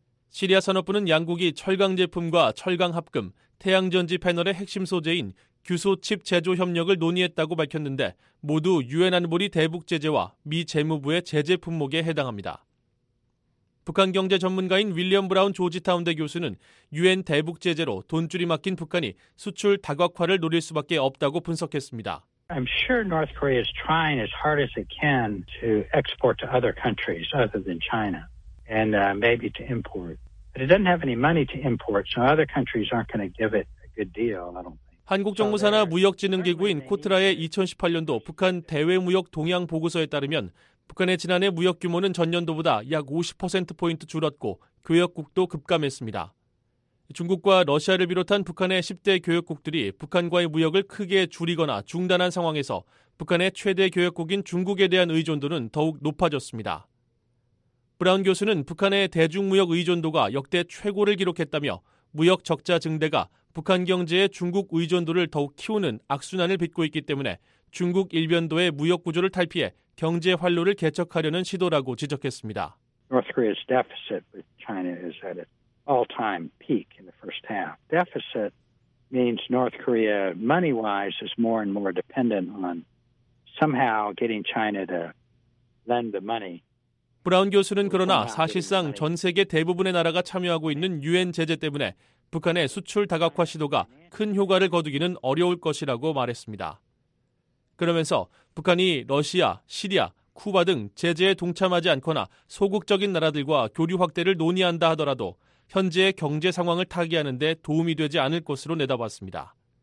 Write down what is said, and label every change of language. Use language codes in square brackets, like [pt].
[ko] 시리아 산업부는 양국이 철강 제품과 철강 합금, 태양전지 패널의 핵심 소재인 규소칩 제조 협력을 논의했다고 밝혔는데 모두 유엔 안보리 대북 제재와 미 재무부의 제재 품목에 해당합니다. 북한 경제 전문가인 윌리엄 브라운 조지타운대 교수는 유엔 대북 제재로 돈줄이 막힌 북한이 수출 다각화를 노릴 수밖에 없다고 분석했습니다. [en] I'm sure North Korea is trying as hard as it can to export to other countries other than China and maybe to import. But it doesn't have any money to import, so other countries aren't going to give it a good deal, I don't think. [ko] 한국 정부 산하 무역진흥기구인 코트라의 2018년도 북한 대외무역 동향 보고서에 따르면 북한의 지난해 무역 규모는 전년도보다 약 50%포인트 줄었고 교역국도 급감했습니다. 중국과 러시아를 비롯한 북한의 10대 교역국들이 북한과의 무역을 크게 줄이거나 중단한 상황에서 북한의 최대 교역국인 중국에 대한 의존도는 더욱 높아졌습니다. 브라운 교수는 북한의 대중무역 의존도가 역대 최고를 기록했다며 무역 적자 증대가 북한 경제의 중국 의존도를 더욱 키우는 악순환을 빚고 있기 때문에 중국 일변도의 무역 구조를 탈피해 경제 활로를 개척하려는 시도라고 지적했습니다. [en] North Korea's deficit with China is at an all-time peak in the first half. Deficit means North Korea money-wise is more and more dependent on somehow getting China to lend the money. [ko] 브라운 교수는 그러나 사실상 전 세계 대부분의 나라가 참여하고 있는 유엔 제재 때문에 북한의 수출 다각화 시도가 큰 효과를 거두기는 어려울 것이라고 말했습니다. 그러면서 북한이 러시아, 시리아, 쿠바 등 제재에 동참하지 않거나 소극적인 나라들과 교류 확대를 논의한다 하더라도 현재의 경제 상황을 타개하는 데 도움이 되지 않을 것으로 내다봤습니다.